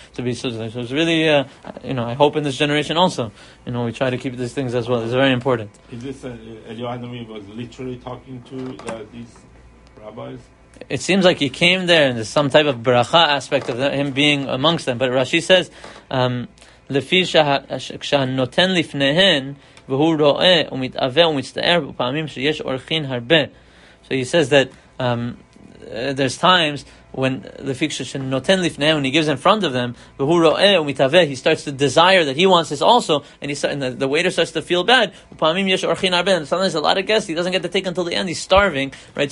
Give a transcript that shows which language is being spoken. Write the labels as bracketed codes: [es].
[en] So it's really, I hope in this generation also, we try to keep these things as well. It's very important. Is this Eliyahu was literally talking to these rabbis? It seems like he came there and there's some type of bracha aspect of him being amongst them. But Rashi says, [he] לפי שהנותן לפניהן, והוא רואה ומתאווה ומצטער בפעמים שיש אורחין הרבה. [en] So he says that there's times when the fiksha [he] noten lifnei, [en] when he gives in front of them, [he] v'hu ro'eh u'mitaveh, [en] he starts to desire that he wants this also, and he start, and the waiter starts to feel bad. [he] U'pamim yesh orchin arben, [en] and sometimes a lot of guests, he doesn't get to take until the end. He's starving, right?